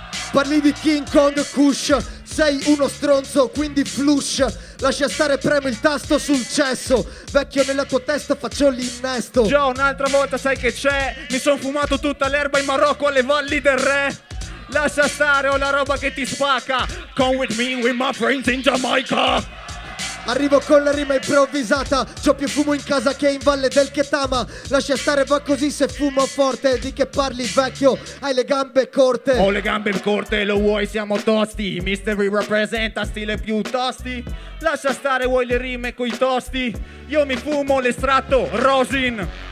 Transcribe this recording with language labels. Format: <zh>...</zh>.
<it>Parli di King Kong, Kush, sei uno stronzo, quindi flush. Lascia stare, premo il tasto sul cesso. Vecchio, nella tua testa faccio l'innesto. Gio, un'altra volta sai che c'è, mi son fumato tutta l'erba in Marocco alle valli del re. Lascia stare, ho la roba che ti spacca.</it> <en>Come with me, with my friends in Jamaica.</en> <it>Arrivo con la rima improvvisata. C'ho più fumo in casa che in valle del Ketama. Lascia stare, va così se fumo forte. Di che parli, vecchio? Hai le gambe corte. Ho le gambe corte, lo vuoi, siamo tosti. Mystery rappresenta stile più tosti. Lascia stare, vuoi le rime coi tosti? Io mi fumo l'estratto, rosin.</it>